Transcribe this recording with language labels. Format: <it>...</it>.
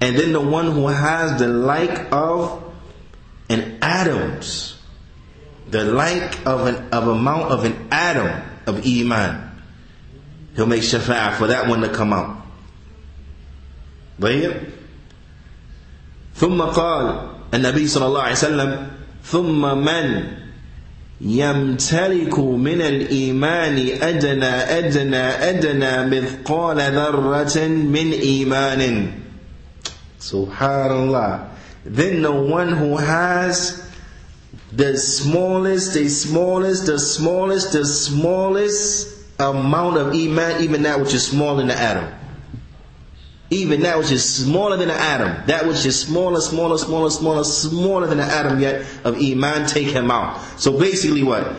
<en>And then the one who has the like of an atoms, the like of an of amount of an atom of iman, he'll make shafa'ah for that one to come out.</en> <ar>طيب. ثم قال النبي صلى الله عليه وسلم ثم من يمتلك من الإيمان أدنى أدنى أدنى مثقال ذرة من إيمان. سبحان الله.</ar> <en>Then the one who has the smallest amount of iman, even that which is small in the atom, Even that which is smaller than an atom, that which is smaller than an atom yet of iman, take him out. So basically what?</en>